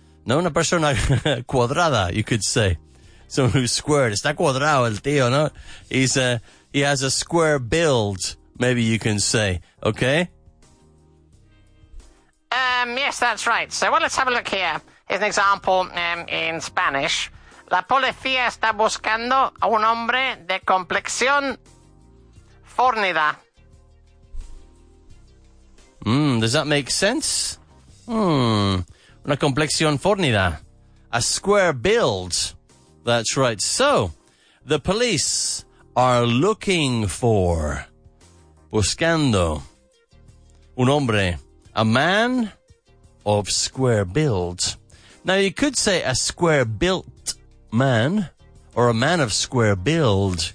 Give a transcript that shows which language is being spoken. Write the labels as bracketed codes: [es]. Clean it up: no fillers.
[es] No, una persona cuadrada, [en] you could say. Someone who's squared. [es] Está cuadrado el tío, ¿no? [en] He has a square build. Maybe you can say, okay? Yes, that's right. So, well, let's have a look here. Here's an example in Spanish. [es] La policía está buscando a un hombre de complexión fornida. [en] Does that make sense? [es] Una complexión fornida. [en] A square build. That's right. So, the police are looking for... [es] buscando un hombre, [en] a man of square build. Now, you could say a square-built man or a man of square build.